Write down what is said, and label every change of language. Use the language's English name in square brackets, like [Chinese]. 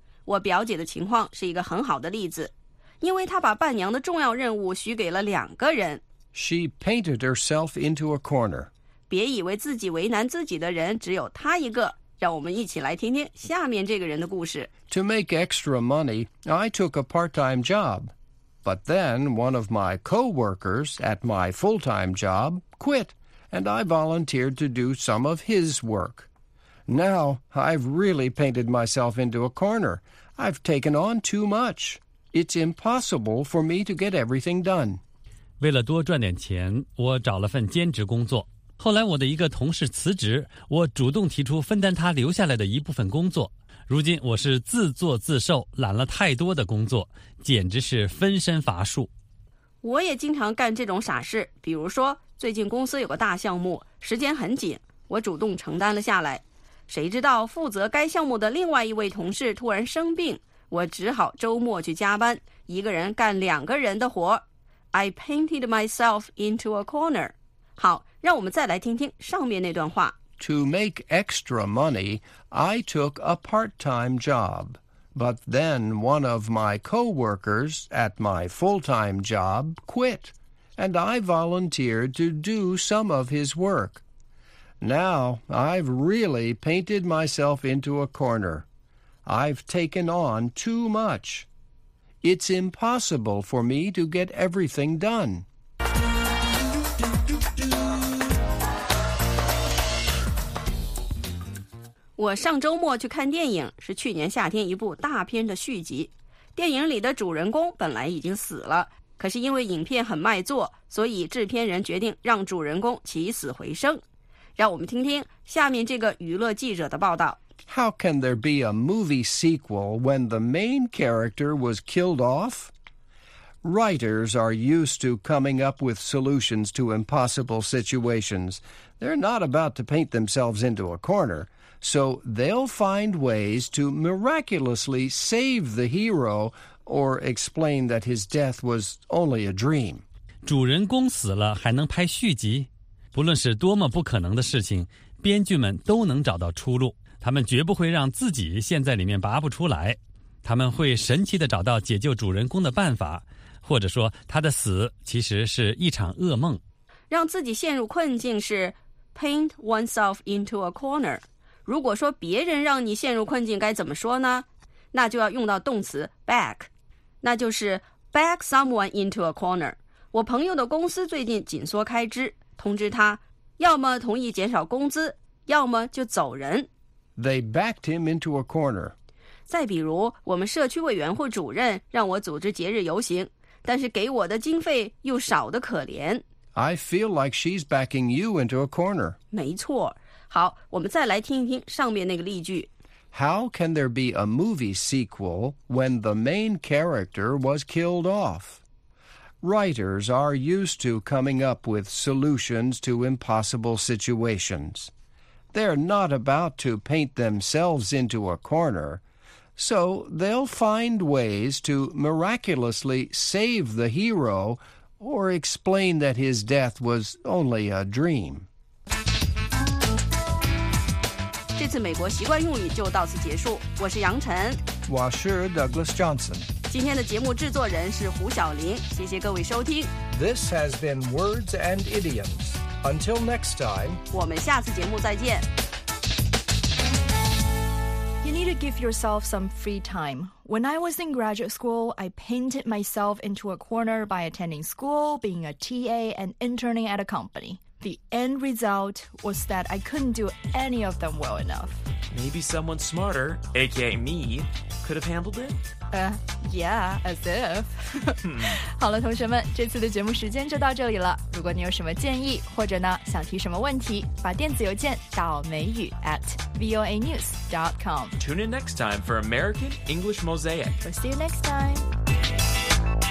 [Chinese] 我表姐的情况是一个很好的例子，因为她把伴娘的重要任务许给了两个人。 [English] She painted herself into a corner. [Chinese] 别以为自己为难自己的人只有她一个。让我们一起来听听下面这个人的故事。 [English] To make extra money, I took a part-time job. But then one of my co-workers at my full-time job quit, and I volunteered to do some of his work. Now, I've really painted myself into a corner. I've taken on too much. It's impossible for me to get everything done. [Chinese] 为了多赚点钱，我找了份兼职工作。后来我的一个同事辞职，我主动提出分担他留下来的一部分工作。如今我是自作自受，揽了太多的工作，简直是分身乏术。我也经常干这种傻事，比如说最近公司有个大项目，时间很紧，我主动承担了下来。谁知道负责该项目的另外一位同事突然生病，我只好周末去加班，一个人干两个人的活。 [English] I painted myself into a corner. [Chinese] 好，让我们再来听听上面那段话。 [English] To make extra money, I took a part-time job. But then one of my co-workers at my full-time job quit, and I volunteered to do some of his work. Now I've really painted myself into a corner. I've taken on too much. It's impossible for me to get everything done. [Chinese] 我上周末去看电影，是去年夏天一部大片的续集。电影里的主人公本来已经死了，可是因为影片很卖座，所以制片人决定让主人公起死回生。让我们听听下面这个娱乐记者的报道。 [English] How can there be a movie sequel when the main character was killed off? Writers are used to coming up with solutions to impossible situations. They're not about to paint themselves into a corner. So they'll find ways to miraculously save the hero or explain that his death was only a dream. [Chinese] 主人公死了还能拍续集？不论是多么不可能的事情，编剧们都能找到出路。他们绝不会让自己陷在里面拔不出来。他们会神奇地找到解救主人公的办法，或者说他的死其实是一场噩梦。让自己陷入困境是 [English] paint oneself into a corner。 [Chinese] 如果说别人让你陷入困境该怎么说呢？那就要用到动词 back， 那就是 [English] back someone into a corner。 [Chinese] 我朋友的公司最近紧缩开支，通知他要么同意减少工资，要么就走人。 [English] They backed him into a corner。 [Chinese] 再比如我们社区委员会主任让我组织节日游行，但是给我的经费又少得可怜。 [English] I feel like she's backing you into a corner。 [Chinese] 没错。好，我们再来听一听上面那个例句。 [English] How can there be a movie sequel when the main character was killed off? Writers are used to coming up with solutions to impossible situations. They're not about to paint themselves into a corner. So they'll find ways to miraculously save the hero or explain that his death was only a dream. [Chinese] 这次美国习惯用语就到此结束，我是杨晨，我是 Douglas Johnson。今天的节目制作人是胡晓林，谢谢各位收听。 [English] This has been Words and Idioms. Until next time， [Chinese] 我们下次节目再见。 [English] You need to give yourself some free time. When I was in graduate school, I painted myself into a corner by attending school, being a TA and interning at a company. The end result was that I couldn't do any of them well enough. Maybe someone smarter, aka me, could have handled it? Yeah, as if. [Chinese] 好了，同学们，这次的节目时间就到这里了。如果你有什么建议，或者呢，想提什么问题，把电子邮件到美语@voanews.com. [English] Tune in next time for American English Mosaic. We'll see you next time.